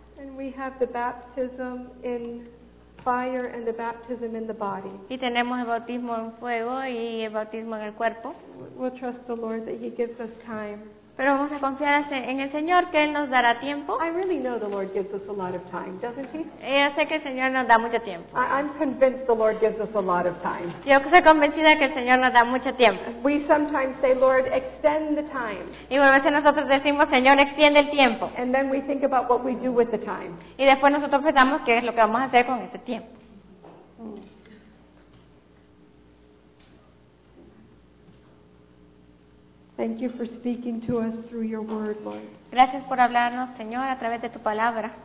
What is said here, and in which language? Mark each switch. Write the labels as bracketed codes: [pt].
[en] And we have the baptism in fire and the baptism in the body. [es] Y tenemos el bautismo en fuego y el bautismo en el cuerpo. [en] We'll trust the Lord that He gives us time. [es] Pero vamos a confiar en el Señor que Él nos dará tiempo. [en] I really know the Lord gives us a lot of time, doesn't He? [es] Yo sé que el Señor nos da mucho tiempo. [en] I'm convinced the Lord gives us a lot of time. [es] Yo estoy convencida que el Señor nos da mucho tiempo. [en] We sometimes say, Lord, extend the time. [es] Y a veces nosotros decimos, Señor, extiende el tiempo. [en] And then we think about what we do with the time. [es] Y después nosotros pensamos qué es lo que vamos a hacer con ese tiempo. [en] Thank you for speaking to us through your word, Lord. [es] Gracias por hablarnos, Señor, a través de tu palabra.